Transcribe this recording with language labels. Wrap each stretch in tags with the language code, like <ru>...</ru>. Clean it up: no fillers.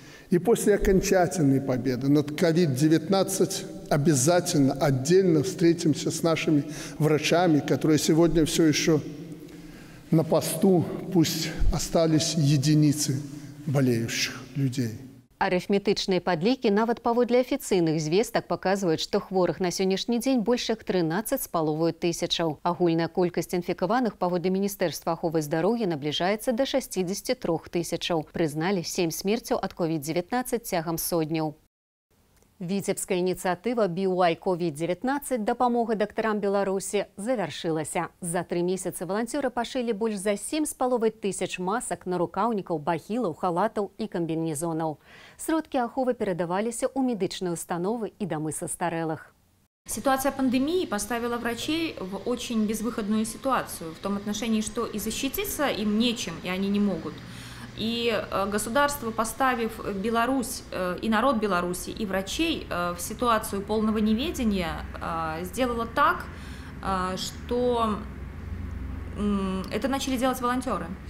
<ru>И после окончательной победы над COVID-19 обязательно отдельно встретимся с нашими врачами, которые сегодня все еще на посту, пусть остались единицы болеющих людей.</ru> <be>Арифметычныя падлікі нават паводле афіцыйных звестак паказваюць, што хворых на сённяшні дзень больш як 13,5 тысячаў. Агульная колькасць інфікаваных паводле Міністэрства аховы здароўя набліжаецца да 63 тысячаў. Прызналі 7 смерцяў ад COVID-19 цягам сотняў. Віцебская ініцыятыва BY COVID-19 «Дапамога дактарам Беларусі» завершылася. За 3 месяцы волонтеры пашылі больш за 7,5 тысяч масак, нарукаўнікаў, бахілаў, халатаў і камбінезонаў. Сродкі аховы перадаваліся ў медычныя установы і дамы састарэлых.</be> <ru>Ситуация пандемии поставила врачей в очень безвыходную ситуацию, в том отношении, что и защититься им нечем, и они не могут. И государство, поставив Беларусь и народ Беларуси, и врачей в ситуацию полного неведения, сделало так, что это начали делать волонтеры.</ru>